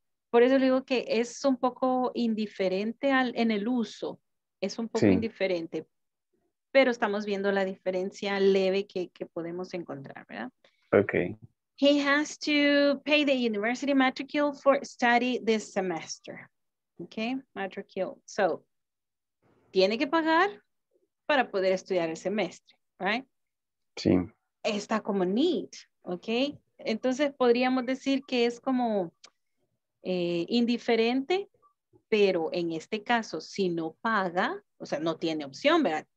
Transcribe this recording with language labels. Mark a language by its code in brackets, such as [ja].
[es] Por eso le digo que es un poco indiferente en el uso. Es un poco sí. Indiferente. pero estamos viendo la diferencia leve que podemos encontrar, ¿verdad? [en] Okay. He has to pay the university matricule for study this semester. Okay, matricule. [es] So, tiene que pagar para poder estudiar el semestre, right? Sí. Está como need, okay? Entonces podríamos decir que es como indiferente, pero en este caso, si no paga, o sea, no tiene opción, ¿verdad?